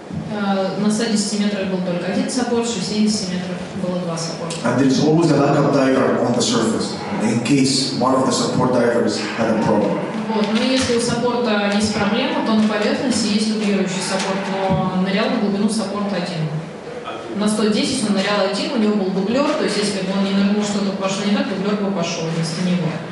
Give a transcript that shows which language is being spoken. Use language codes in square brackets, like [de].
[ru] На 110 метрах был только один саппорт, 60 метров было два саппорта. [en] And there is always a backup diver on the surface, in case one of the support divers had a problem. [ru] Вот, но если у саппорта есть проблема, то на поверхности есть дублирующий саппорт, но нырял на глубину саппорт один. На 110 он нырял один, у него был дублер, то есть если бы он не нырнул, что-то пошло не так, дублер бы пошел вместо него.